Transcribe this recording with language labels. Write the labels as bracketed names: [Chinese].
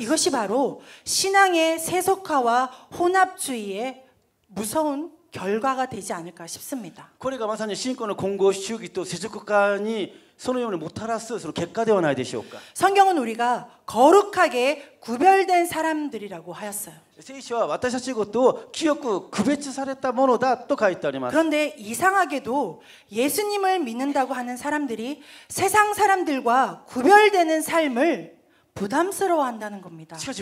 [Korean] 이것이 바로 신앙의 세속화와 혼합주의의 무서운 결과가 되지 않을까 싶습니다. [Japanese] これがまさに信仰の混合主義と世俗化にそのようにもたらすその結果ではないでしょうか。 [Korean] 성경은 우리가 거룩하게 구별된 사람들이라고 하였어요. [Japanese] 聖書は私たちのことを清く区別されたものだと書いてあります。 [Korean] 그런데 이상하게도 예수님을 믿는다고 하는 사람들이 세상 사람들과 구별되는 삶을 부담스러워한다는 겁니다.